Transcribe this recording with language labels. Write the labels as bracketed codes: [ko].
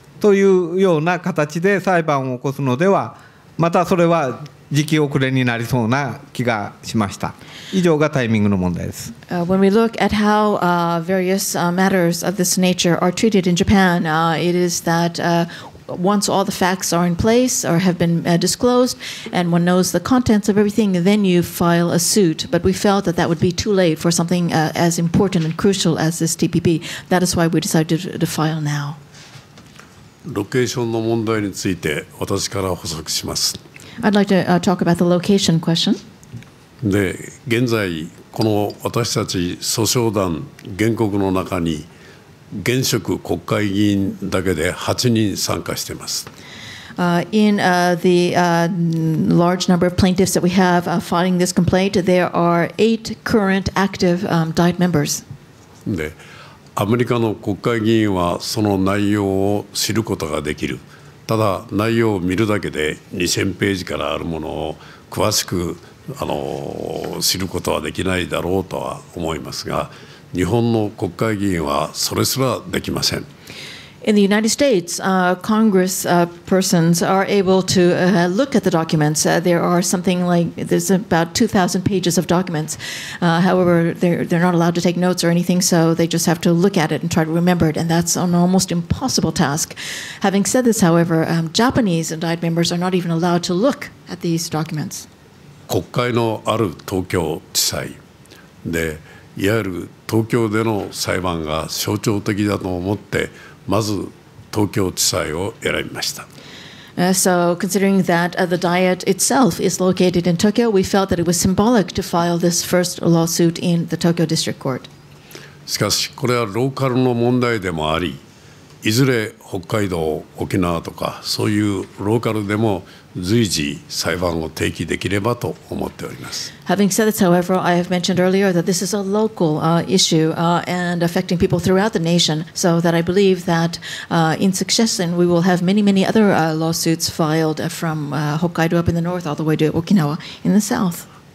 [ja] というような形で裁判を起こすのではまたそれは時期遅れになりそうな気がしました。以上がタイミングの問題です。 [en] When we look at how various matters of this nature are treated in Japan, it is that once all the facts are in place or have been disclosed and one knows the contents of everything, then you file a suit. But we felt that that would be too late for something as important and crucial as this TPP. That is why we decided to file now. [ja] ロケーションの問題について私から補足します。 [en] I'd like to talk about the location question. [ja] で現在この私たち訴訟団原告の中に現職国会議員だけで8人参加しています。 [en] In the large number of plaintiffs that we have filing this complaint, there are 8 current active Diet members. [ja] でアメリカの国会議員はその内容を知ることができる。ただ内容を見るだけで2000ページからあるものを詳しく知ることはできないだろうとは思いますが、日本の国会議員はそれすらできません。 [en] In the United States, Congress persons are able to look at the documents. There are something like there's about 2,000 pages of documents. However, they're not allowed to take notes or anything, so they just have to look at it and try to remember it, and that's an almost impossible task. Having said this, however, Japanese Diet members are not even allowed to look at these documents. [ja] 国会のある東京地裁で、いわゆる東京での裁判が象徴的だと思って。まず東京地裁を選びました。 [en] So considering that the Diet itself is located in Tokyo, we felt that it was symbolic to file this first lawsuit in the Tokyo District Court. [ja] しかしこれはローカルの問題でもあり、いずれ北海道、沖縄とかそういうローカルでも随時裁判を提起できればと思っております。 [en] Having said this, however, I have mentioned earlier that this is a local issue and affecting people throughout the nation, so that I believe that in succession we will have many, many other lawsuits filed from Hokkaido up in the north all the way to Okinawa in the south.